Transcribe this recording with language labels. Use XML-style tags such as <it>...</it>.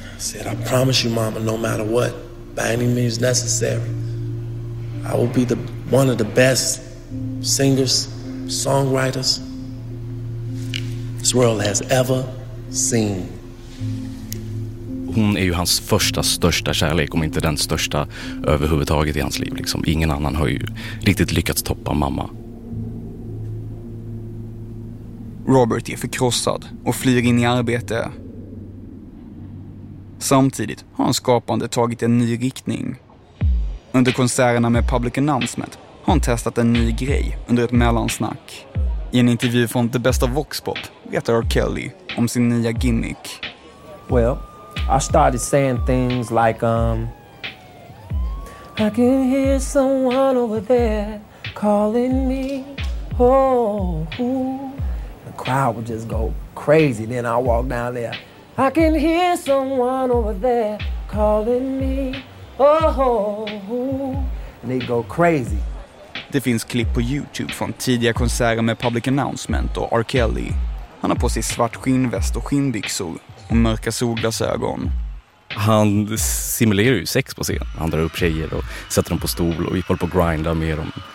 <en>I said, I promise you, mama, no matter what, by any means necessary, I will be one of the best singers, songwriters this world has ever seen.</en> <sv>Hon är ju hans första största kärlek, om inte den största överhuvudtaget i hans liv. Liksom. Ingen annan har ju riktigt lyckats toppa mamma. Robert är förkrossad och flyr in i arbete. Samtidigt har hans skapande tagit en ny riktning. Under konserterna med Public Announcement har han testat en ny grej under ett mellansnack. I en intervju från The Best of Voxpop berättar R. Kelly om sin nya gimmick.</sv> <en>Well, I started saying things like, I can hear someone over there calling me, oh, ooh. The crowd would just go crazy, then I walk down there. I can hear someone over there calling me, oh, ooh. And they go crazy.</en> <sv>Det finns klipp på YouTube från tidiga konserter med Public Announcement och R. Kelly. Han har på sig svart skinnväst och skinnbyxor och mörka solglasögon. Han simulerar ju sex på scen. Han drar upp tjejer och sätter dem på stol och vi håller på att grinda med dem.</sv>